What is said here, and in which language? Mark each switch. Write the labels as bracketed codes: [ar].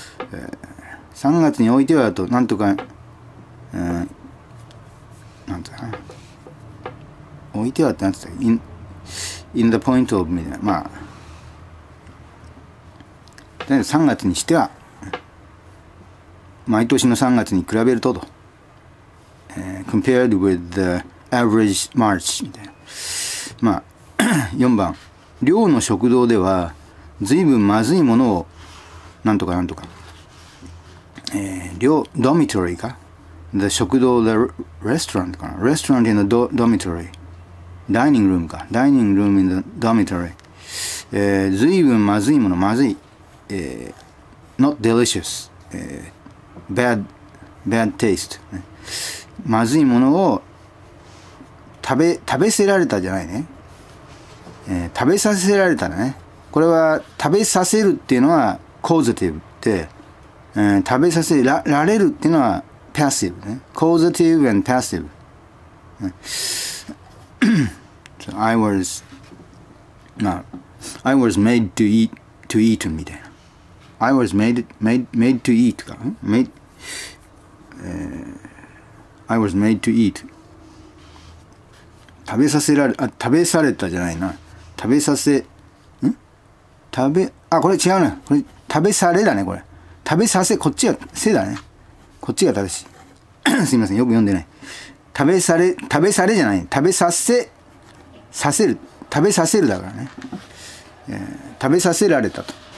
[ja] 3月においてはと、なんとか、なんつうかな。置いてはってなんて言ったっけ [en] in the point of [ja] みたいな。まあ、だから3月にしては、毎年の3月に比べるとと。 [en] compared with the average March [ja] みたいな。まあ、4番。寮の食堂では、随分まずいものを、なんとかなんとか。寮、ドミトリーか ?the 食堂、 [en] the restaurant [ja] かな ? [en] restaurant in the dormitory. [ja] ダイニングルームか。ダイニングルームインドミトリー。ずいぶんまずいもの、まずい。 [en] not delicious.、bad taste.、 [ja] ね、まずいものを食べせられたじゃないね。食べさせられたね。これは食べさせるっていうのは causative で、食べさせられるっていうのは passive ね。 [en] causative and passive.、ねI was made to eat [ja] みたいな。 [en] I was made to eat [ja] か、I was made to eat 食べさせられ、あ、食べされたじゃないな、食べさせ、ん、食べ、あ、これ違うね、これ食べされだね、これ食べさせ、こっちがせだね、こっちが正しいすいません、よく読んでない、食べされ、食べされじゃない、食べさせ、させる、食べさせるだからね、食べさせられたと。